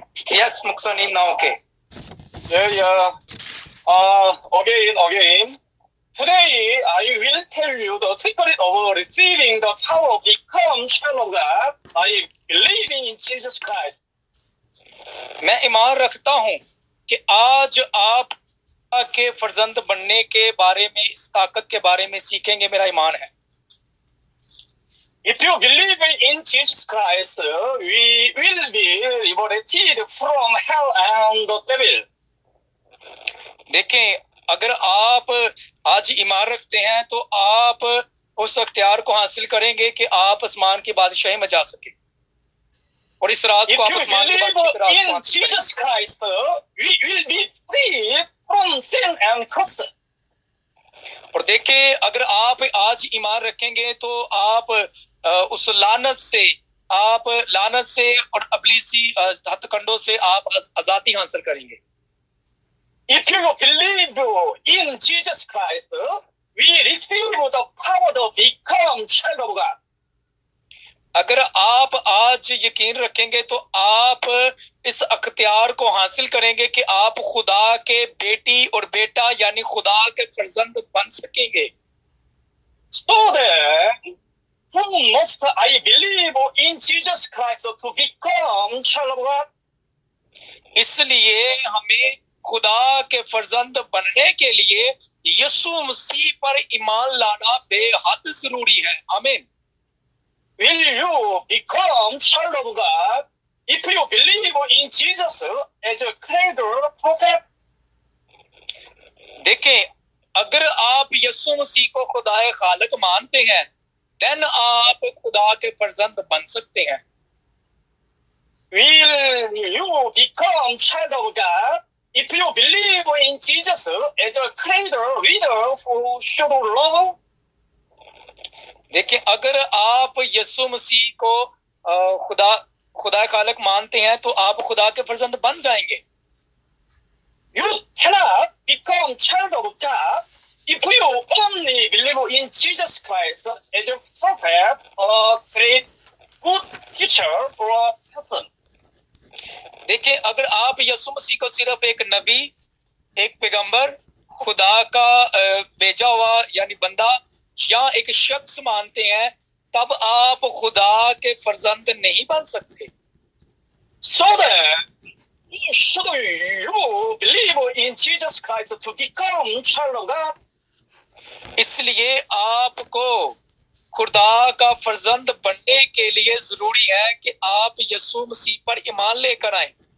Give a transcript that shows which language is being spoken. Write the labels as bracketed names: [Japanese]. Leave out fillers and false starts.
[English] Yes, Muksanim, now okay. There you are. Again. Today, I will tell you the secret of receiving the power of become child of God by believing in Jesus Christ. [Hindi] मैं ईमान रखता हूँ कि आज आप के फर्जंद बनने के बारे में इस ताकत के बारे में सीखेंगे मेरा ईमान है. [English] If you believe in Jesus Christ, we will be liberated from hell and the devil. [Hindi] देखें अगर आप आज ईमान रखते हैं तो आप उस अख्तियार को हासिल करेंगे कि आप आसमान की बादशाही में जा सके और इस राज को आप आसमान की बादशाही में [English] Christ, we will be free from sin and curse. [Hindi] और देखिए अगर आप आज ईमान रखेंगे तो आप उस लानत से और अबलीसी हथकंडों से आप आजादी हासिल करेंगे. [English] If you believe in Jesus Christ, we receive the power to become child of God. [Hindi] अगर आप आज यकीन रखेंगे तो आप इस अख्तियार को हासिल करेंगे कि आप खुदा के बेटी और बेटा यानी खुदा के फर्जंद बन सकेंगे. [English] So then, who must I believe in Jesus Christ to become child of God? [Hindi] इसलिए हमें खुदा के फर्जंद बनने के लिए यीशु मसीह पर ईमान लाना बेहद जरूरी है. आमीन. [English] Will you become child of God if you believe in Jesus as a creator prophet? [Hindi] देखें अगर आप यीशु मसीह को खुदाए खालक मानते हैं देन आप खुदा के फर्जंद बन सकते हैं. [English] Will you become child of God if you believe in Jesus as a creator, leader who should love? [Hindi] देखिए अगर आप यीशु मसीह को खुदा खालक मानते हैं तो आप खुदा के फर्जंद बन जाएंगे. [English] You cannot become child of God if you only believe in Jesus Christ as a prophet, a great good teacher or a person. [Hindi] देखें अगर आप यीशु मसीह को सिर्फ एक नबी एक पैगंबर खुदा का भेजा हुआ यानी बंदा या एक शख्स मानते हैं तब आप खुदा के फर्जंद नहीं बन सकते. [English] So then, should you believe in Jesus Christ to become child of God? [Hindi] इसलिए आपको खुदा का फर्जंद बनने के लिए जरूरी है कि आप यीशु मसीह पर ईमान लेकर आए.